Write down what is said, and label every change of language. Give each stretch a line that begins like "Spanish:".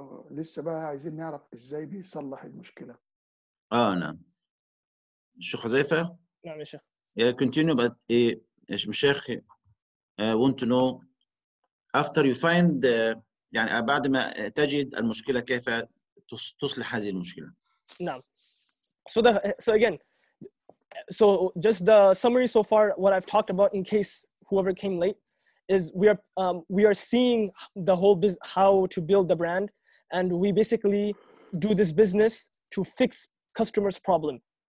Arabic: لسه بقى عايزين نعرف إزاي بيصلح المشكلة. نعم. الشيخ حذيفة. نعم يا شيخ.
English: Yeah, continue, but المشايخ want to know. After you find the,
Arabic: يعني بعد ما تجد المشكلة كيف تصلح هذه المشكلة؟ نعم.
English: So again, So just the summary so far, what I've talked about, in case whoever came late, is we are seeing the whole how to build the brand, and we basically do this business to fix customers' problem.